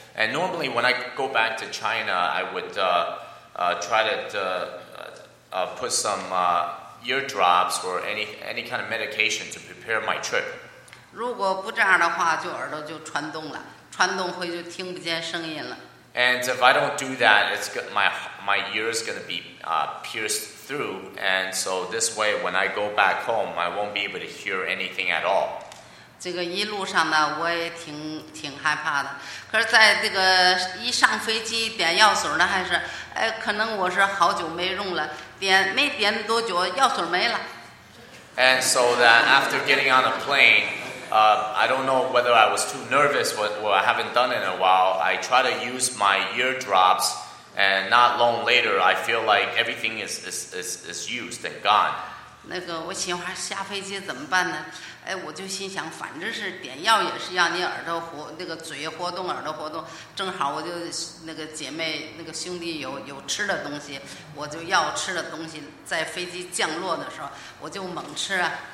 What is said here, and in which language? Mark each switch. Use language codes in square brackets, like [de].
[en] And normally, when I go back to China, I would try to put some ear drops or any kind of medication to prepare my trip. [zh] 如果不这样的话，就耳朵就穿洞了，穿洞回就听不见声音了。 [en] And if I don't do that, it's my ear is going to be pierced through. And so this way, when I go back home, I won't be able to hear anything at all. [zh] 这个一路上呢，我也挺害怕的。可是，在这个一上飞机点药水呢，还是哎，可能我是好久没用了，没点多久，药水没了。 [en] And so that after getting on a plane, I don't know whether I was too nervous, or I haven't done it in a while. I try to use my ear drops, and not long later, I feel like everything is used and gone. [zh] 那个我心话下飞机怎么办呢，哎，我就心想反正是点药也是让你耳朵活，那个嘴活动耳朵活动，正好我就那个姐妹那个兄弟有吃的东西，我就要吃的东西，在飞机降落的时候我就猛吃啊。